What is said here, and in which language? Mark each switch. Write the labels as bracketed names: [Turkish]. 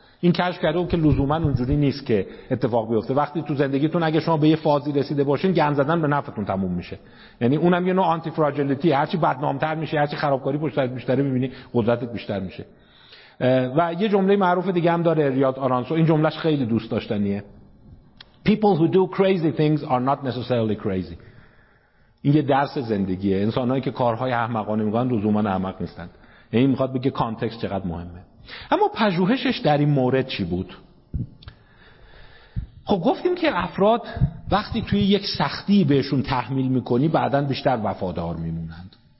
[Persian] این کشف کرده بود که لزوما اونجوری نیست که اتفاق بیفته. وقتی تو زندگیتون اگه شما به یه فازی رسیده باشین، گند زدن به نفعتون تموم میشه. یعنی اونم یه نوع آنتی فراجیلیتی، هر چی بدنامتر میشه، هر چی خرابکاری پشت سرت بیشتره، میبینی قدرتت بیشتر میشه. و یه جمله معروف دیگه هم داره ریاد آرانسو، این جملهش خیلی دوست داشتنیه. [English] People who do crazy things are not necessarily crazy. [Persian] این یه درس زندگیه. انسانهایی که کارهای احمقانه میکنن لزوما احمق نیستن. این میخواد بگه کانتکست چقدر مهمه. اما پژوهشش در این مورد چی بود؟ خب گفتیم که افراد وقتی توی یک سختی بهشون تحمیل میکنی بعداً بیشتر وفادار میمونند.